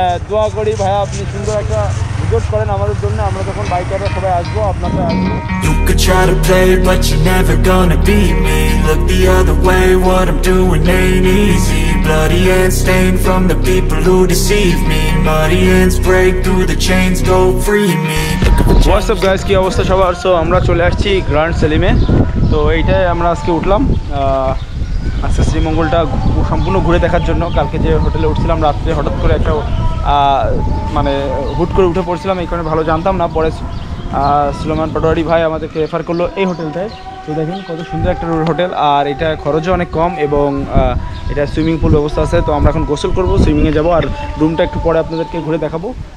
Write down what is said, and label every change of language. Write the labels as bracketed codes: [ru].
[bn] দোয়া করি ভাইয়া আপনি সুন্দর একটা রিসোর্ট করেন আমাদের জন্য, আমরা তখন বাইকাররা সবাই আসবো আপনাকে আসবো। [en] Could try to play but you're never gonna beat me, look the other way, what I'm doing ain't easy, bloody hands stained from the people who deceive me, muddy hands break through the chains, go free me. What's up guys, [bn] ki obostha shobar, so amra chole aschi grand selim e, to ei tay amra ajke uthlam আজকে শ্রীমঙ্গলটা সম্পূর্ণ ঘুরে দেখার জন্য। কালকে যে হোটেলে উঠছিলাম রাত্রে, হঠাৎ করে একটা মানে হুট করে উঠে পড়ছিলাম, এই কারণে ভালো জানতাম না। পরে সুলাইমান পাটোয়ারি ভাই আমাদেরকে রেফার করলো এই হোটেলটায়, তো দেখুন কত সুন্দর একটা হোটেল, আর এটা খরচও অনেক কম এবং এটা সুইমিং পুল ব্যবস্থা আছে, তো আমরা এখন গোসল করবো, সুইমিংয়ে যাবো, আর রুমটা একটু পরে আপনাদেরকে ঘুরে দেখাবো।